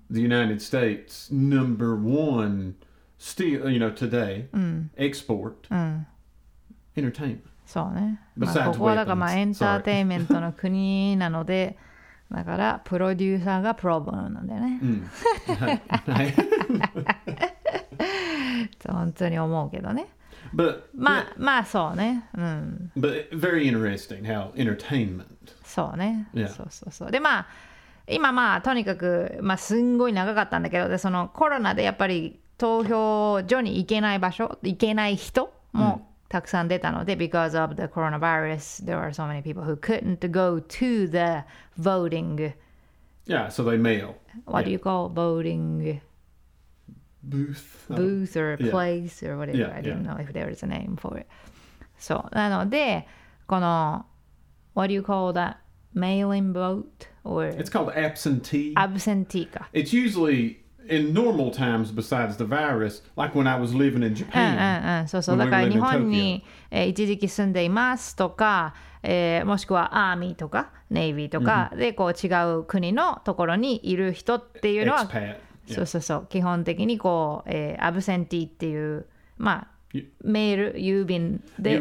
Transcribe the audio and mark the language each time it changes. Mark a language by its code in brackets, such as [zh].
[en] The United States, number one, still, you know, today, export, entertainment. [ja] そうね。 [en] Besides weapons. [ja] ここはだからエンターテインメントの国なので、だからプロデューサーがプロブームなんだよね。はい。本当に思うけどね。 [en] But, [ja] まあ、yeah. まあそうね。うん。 [en] But very interesting how entertainment. [ja] そうね。 [en] Yeah. [ja] そう。でまあ今まあとにかくまあすんごい長かったんだけど、でそのコロナでやっぱり投票所に行けない場所、行けない人もたくさん出たので、 [en] because of the coronavirus, there are so many people who couldn't go to the voting. Yeah, so they mail. What do you call voting? Booth or place or whatever. Yeah, I don't know if there is a name for it. So, [ja] なので、この [en] what do you call that mailing vote or? It's called absentee. Absentee. It's usually in normal times, besides the virus, like when I was living in Japan. [ja] So, だから日本に一時期住んでいますとか、もしくはアーミーとか、ネイビーとか、で、こう違う国のところにいる人っていうのは、そう、基本的にこう、アブセンティっていう、まあ、メール、郵便で、